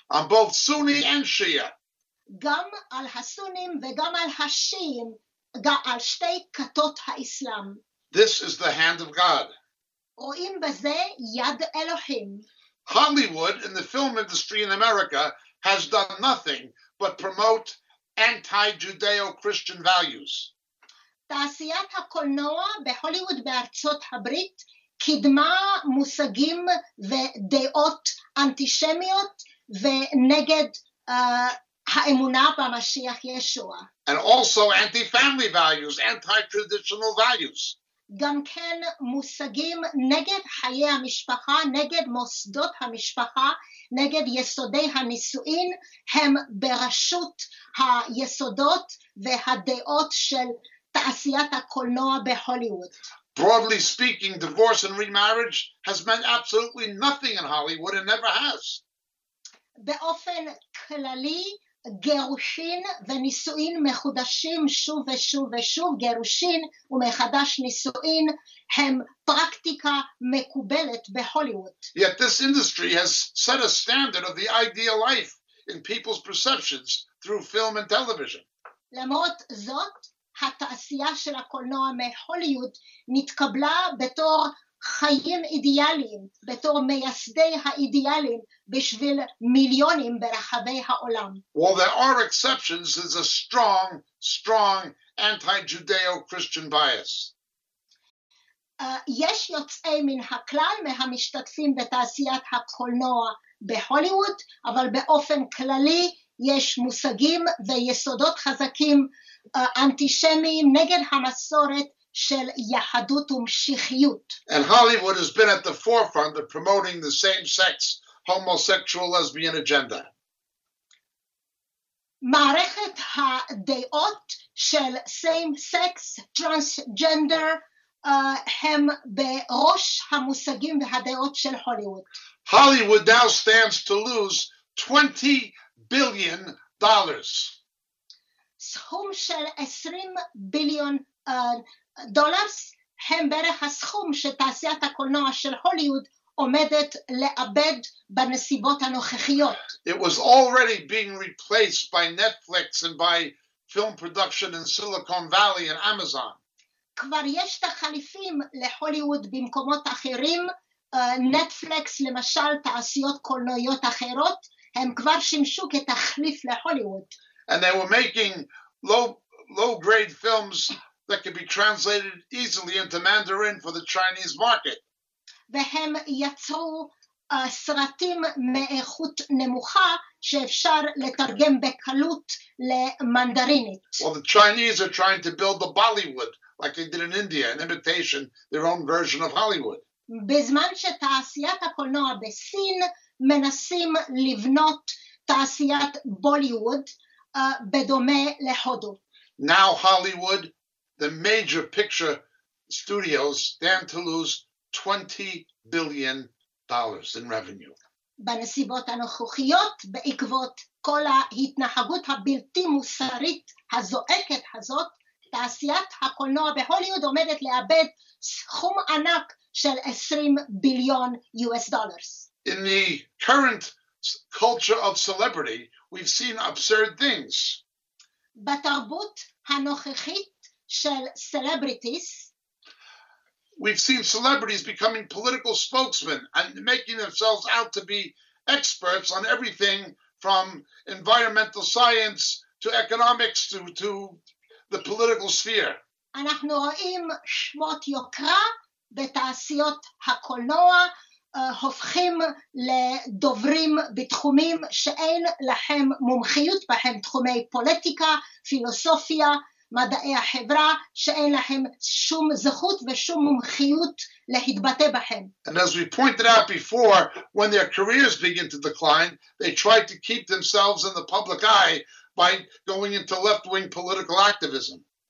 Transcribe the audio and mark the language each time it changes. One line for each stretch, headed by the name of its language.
English: On both Sunni and Shia.
Hebrew: גם על הסונים וגם על השיעים, על שתי כתות האסלאם.
English: This is the hand of God.
Hebrew: רואים בזה יד אלוהים.
English: Hollywood in the film industry in America has done nothing but promote anti-Judeo-Christian values.
Hebrew: תעשיית הקולנוע בהוליווד בארצות הברית קידמה מושגים ודעות אנטישמיות ונגד האמונה במשיח ישוע.
English: And also anti-family values, anti-traditional values.
Hebrew: גם כן מושגים נגד חיי המשפחה, נגד מוסדות המשפחה, נגד יסודי הנישואין, הם ברשות היסודות והדעות של תעשיית הקולנוע בהוליווד.
English: Broadly speaking, divorce and remarriage has meant absolutely nothing in Hollywood and never has.
Hebrew: באופן כללי, גירושין ונישואין מחודשים שוב ושוב ושוב, גירושין ומחדש נישואין הם פרקטיקה מקובלת בהוליווד.
English: Yet this industry has set a standard of the ideal life in people's perceptions through film and television.
Hebrew: למרות זאת, התעשייה של הקולנוע מהוליווד נתקבלה בתור חיים אידיאליים, בתור מייסדי האידיאליים בשביל מיליונים ברחבי העולם.
English: Well, there are exceptions. There's a strong, strong anti-Judeo-Christian bias.
Hebrew: יש יוצאי מן הכלל מהמשתתפים בתעשיית הקולנוע בהוליווד, אבל באופן כללי יש מושגים ויסודות חזקים אנטישמיים נגד המסורת של יהדות ומשיחיות.
English: And Hollywood has been at the forefront of promoting the same-sex homosexual lesbian agenda.
Hebrew: מערכת הדעות של
English: same-sex, transgender,
Hebrew: הם בראש המושגים והדעות של הוליווד.
English: Hollywood now stands to lose $20 billion.
Hebrew: סכום של 20 ביליון דולרס הם בערך הסכום שתעשיית הקולנוע של הוליווד עומדת לאבד בנסיבות הנוכחיות.
English: It was already being replaced by Netflix and by film production in Silicon Valley and Amazon.
Hebrew: כבר יש תחליפים להוליווד במקומות אחרים, נטפליקס למשל, תעשיות קולנועיות אחרות, הם כבר שימשו כתחליף להוליווד.
English: And they were making low-grade films that could be translated easily into Mandarin for the Chinese market.
Hebrew: והם יצרו סרטים מאיכות נמוכה שאפשר לתרגם בקלות למנדרינית.
English: Well, the Chinese are trying to build a Bollywood, like they did in India, an imitation, their own version of Hollywood.
Hebrew: בזמן שתעשיית הקולנוע בסין מנסים לבנות תעשיית בוליווד בדומה להודו.
English: Now Hollywood, the major picture studios, stand to lose $20 billion in revenue.
Hebrew: בנסיבות הנוכחיות, בעקבות כל ההתנהגות הבלתי מוסרית הזועקת הזאת, תעשיית הקולנוע בהוליווד עומדת לאבד סכום ענק של
English: $20 billion. In the current culture of celebrity, we've seen absurd things.
Hebrew: בתרבות הנוכחית של סלבריטיס,
English: we've seen celebrities becoming political spokesmen and making themselves out to be experts on everything from environmental science to economics to the political sphere.
Hebrew: אנחנו רואים שמות יוקרה בתעשיות הקולנוע הופכים לדוברים בתחומים שאין להם מומחיות בהם, תחומי פוליטיקה, פילוסופיה, מדעי החברה, שאין להם שום זכות ושום מומחיות להתבטא בהם.
English: And as we pointed out before, when their careers begin to decline, they try to keep themselves in the public eye by going into left-wing political activism.